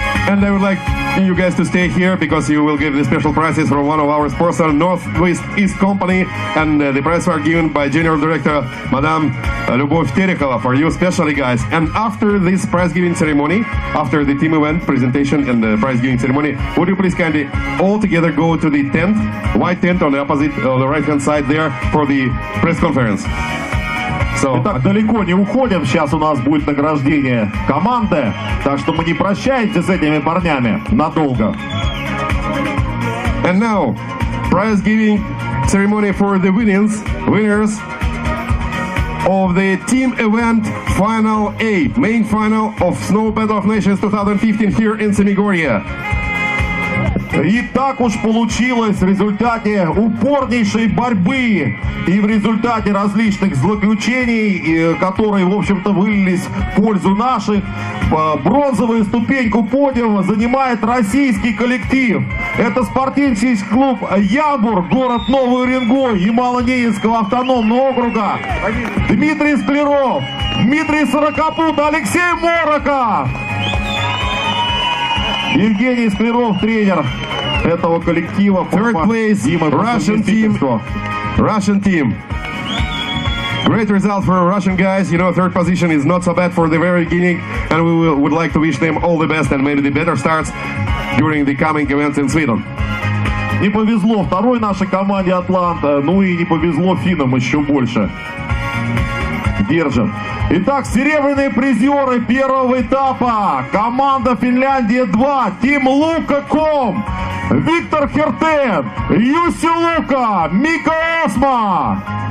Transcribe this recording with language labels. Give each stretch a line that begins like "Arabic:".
English: And I would like you guys to stay here because you will give the special prizes from one of our sponsors, Northwest East Company, and the prizes are given by General Director Madame Любовь Терехова for you especially, guys. And after this prize giving ceremony, after the team event presentation and the prize giving ceremony, would you please kindly all together go to the tent, white tent on the opposite, on the right hand side there for the press conference.
Russian: So, итак, далеко не уходим, сейчас у нас будет награждение команды, так что мы не прощаемся с этими парнями надолго.
English: And now, prize giving ceremony for the winners of the team event Final A, main final of Snow Battle of Nations 2015 here in Semigorje.
Russian: И так уж получилось в результате упорнейшей борьбы и в результате различных злоключений, которые, в общем-то, вылились в пользу наших, бронзовую ступеньку подиума занимает российский коллектив. Это спортивный клуб «Ямбур», город Новый Уренгой, Ямало-Ненецкого автономного округа. Дмитрий Склеров, Дмитрий Сорокопут, Алексей Мороков! Евгений Склеров, тренер этого коллектива.
English: Third place, Дима, Russian team. Russian team. Great result for Russian guys. You know, third position is not so bad for the very beginning. And we would like to wish them all the best and maybe the better starts during the coming events in Sweden.
Russian: Не повезло второй нашей команде «Атланта», ну и не повезло финнам еще больше. Держим. Итак, серебряные призеры первого этапа. Команда «Финляндия-2», Тим Лука.ком, Виктор Хертен, Юси Лука, Мика Осма.